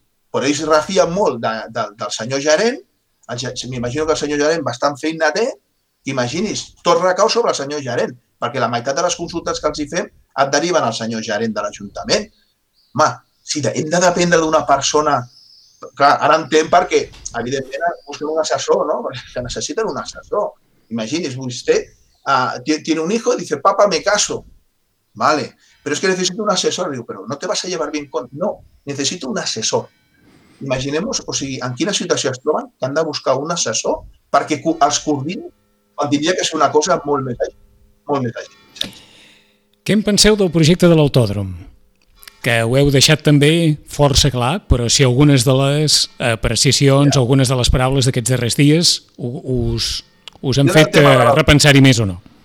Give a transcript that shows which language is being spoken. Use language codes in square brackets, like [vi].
[ca] Però ells refien molt del senyor gerent. M'imagino que el senyor gerent bastant feina té, imagini's, tot recau sobre el senyor gerent, perquè la meitat de les consultes que els hi fem et deriven al senyor gerent de l'Ajuntament. Home, si hem de dependre d'una persona, clar, ara entenc perquè, evidentment, busquen un assessor, no? Perquè necessiten un assessor. Imagini's, vostè [es] tiene un hijo y dice, papa, me caso. Vale, pero es que necesito un assessor. Digo, pero no te vas a llevar bien con... No, necesito un assessor. [ca] Imaginemos, o sigui, en quina situació es troben, que han de buscar un assessor perquè els coordini, quan diria que és una cosa molt més àgil. Molt més àgil. Què en penseu del projecte de l'autòdrom? Que ho heu deixat també força clar, però si algunes de les apreciacions, algunes de les paraules d'aquests darrers dies us han fet repensar-hi més o no?